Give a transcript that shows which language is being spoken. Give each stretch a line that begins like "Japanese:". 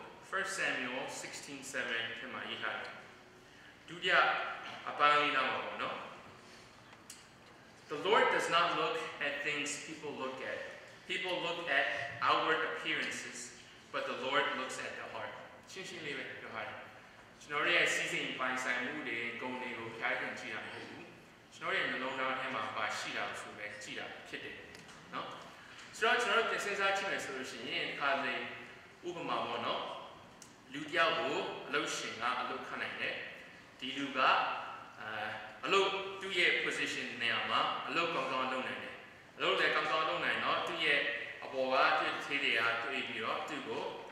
English: First Samuel 16:7
Burmese: ထဲမှ ရေး ထား ဒုတိယ အပိုင်း လေး တော့ နော်
English: The Lord does not look at things people look at. People look at outward appearances, but the Lord looks at the heart.
Burmese: ရှင်းရှင်း လေး ပဲ ပြော ပါတယ် ကျွန်တော် တို့ ရဲ့ season ပိုင်ဆိုင် မှု တွေ ဂုဏ် တွေ ကို ဖျား ခင် ကြည့် တာ မဟုတ် ဘူး ကျွန်တော် ရဲ့ နှလုံး သား ထဲမှ ဘာ ရှိ တာ ဆို ပဲ ကြည့် တာ ဖြစ် တယ် နော် ဆို တော့ ကျွန်တော် တို့ စဉ်းစား ကြည့် မယ် ဆို လို့ ရှိရင် ခါလေး ဥပမာ ပေါ့ နော် လူတယောက်ကိုအလုပ်ရှင်ကအလုပ်ခတ်နိုင်တယ်ဒီလူကအလုပ်သူ့ရဲ့ position နေရာမှာအလုပ်ကောင်းကောင်းလုပ်နိုင်တယ်အလုပ်လည်းကောင်းကောင်းလုပ်နိုင်တော့သူ့ရဲ့အပေါ်ကသူ့ခြေတွေကသူ့အပြီးတော့သူ့ကို